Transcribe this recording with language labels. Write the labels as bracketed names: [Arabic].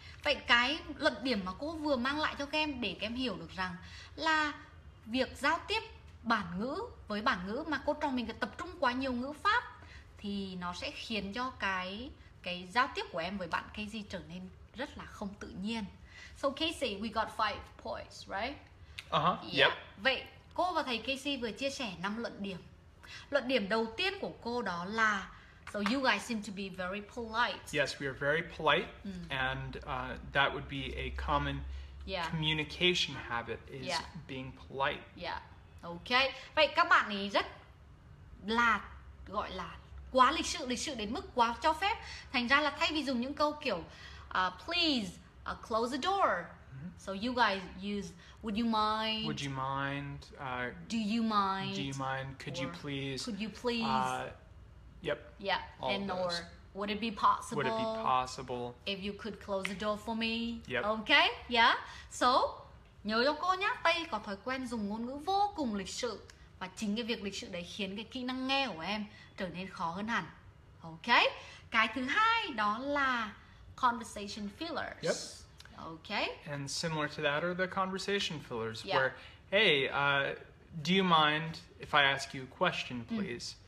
[Vietnamese] Vậy cái luận điểm mà cô vừa mang lại cho Kem để Kem hiểu được rằng là việc giao tiếp bản ngữ với bản ngữ mà cô trò mình tập trung quá nhiều ngữ pháp thì nó sẽ khiến cho cái giao tiếp của em với bạn Casey trở nên rất là không tự nhiên. [English] So Casey, we got 5 points, right? Uh-huh. Yeah. Yep. [Vietnamese] Vậy, cô và thầy Casey vừa chia sẻ 5 luận điểm. Luận điểm đầu tiên của cô đó là [English] so you guys seem to be very polite. Yes, we are very polite and that would be a common yeah. communication habit is yeah. being polite. Yeah. Okay. [Vietnamese] Vậy các bạn ấy rất là gọi là quá lịch sự đến mức quá cho phép. Thành ra là thay vì dùng những câu kiểu [English] please close the door. [Vietnamese] Mm-hmm. [English] So you guys use would you mind? Would you mind? Do you mind? Do you mind? Could you please? Could you please? Yep. Yeah. All and those. Or would it be possible? Would it be possible? If you could close the door for me. Yep. Okay? Yeah. [Vietnamese] So, nhớ cho cô nhá, Tây có thói quen dùng ngôn ngữ vô cùng lịch sự và chính cái việc lịch sự đấy khiến cái kỹ năng nghe của em trở nên khó hơn hẳn. Okay? Cái thứ hai đó là conversation fillers. [English] Yep. Okay. And similar to that are the conversation fillers yeah. where, hey, do you mind if I ask you a question, please?